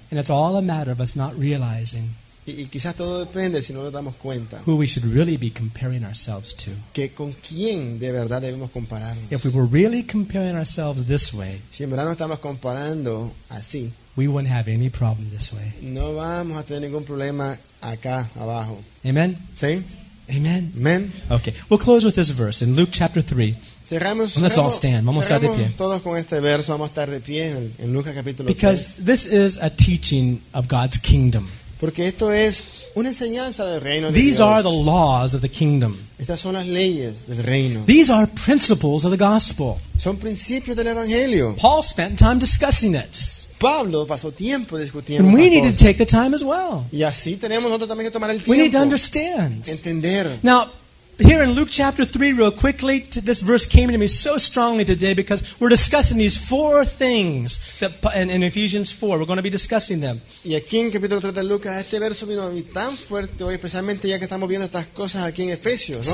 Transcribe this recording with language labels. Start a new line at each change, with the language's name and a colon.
English: And it's all a matter of us not realizing
Spanish: y quizás todo depende si no nos damos cuenta
English: who we should really be comparing ourselves to.
Spanish: Que con quién de verdad debemos compararnos.
English: If we were really comparing ourselves this way,
Spanish: si en verdad nos estamos comparando así,
English: we wouldn't have any problem this way.
Spanish: No vamos a tener ningún problema acá abajo.
English: Amen?
Spanish: Sí.
English: Amen?
Spanish: Amen.
English: Okay, we'll close with this verse in Luke chapter 3. Let's all stand.
Spanish: Vamos a estar de pie. Todos con este verso, vamos a estar de pie en Lucas capítulo 3.
English: Because this is a teaching of God's kingdom.
Spanish: Porque esto es una enseñanza del reino de Dios.
English: These are the laws of the kingdom.
Spanish: Estas son las leyes del reino.
English: These are principles of the gospel.
Spanish: Son principios del evangelio.
English: Paul spent time discussing it.
Spanish: Pablo pasó tiempo discutiendo.
English: And we need to take the time as well.
Spanish: Y así tenemos nosotros también que tomar el tiempo.
English: We need to understand.
Spanish: Entender.
English: Now, here in Luke chapter 3, real quickly, this verse came to me so strongly today because we're discussing these four things that in Ephesians 4. We're going to be discussing them.
Spanish: Y aquí en capítulo 3 de Lucas, este verso vino a mí tan fuerte hoy, especialmente ya que estamos viendo estas cosas aquí en Efesios, ¿no?